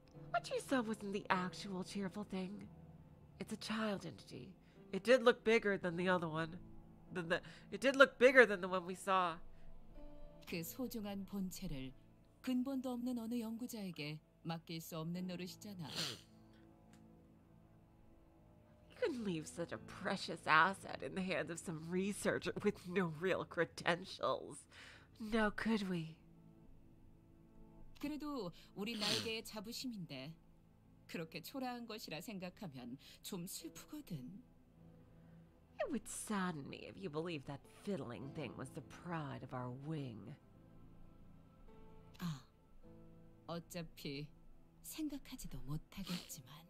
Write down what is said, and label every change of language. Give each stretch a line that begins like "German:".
English: What you saw wasn't the actual cheerful thing. It's a child entity. It did look bigger than the other one. It did look bigger than the one we saw.
Korean: 그 소중한 본체를 근본도 없는 어느 연구자에게 맡길 수 없는 노릇이잖아.
English: You couldn't leave such a precious asset in the hands of some researcher with no real credentials. No, could we?
Korean: 그래도 우리 나에게의 자부심인데. 그렇게 초라한 것이라 생각하면 좀 슬프거든.
English: It would sadden me if you believed that fiddling thing was the pride of our wing.
Korean: 아, 어차피 생각하지도 못하겠지만.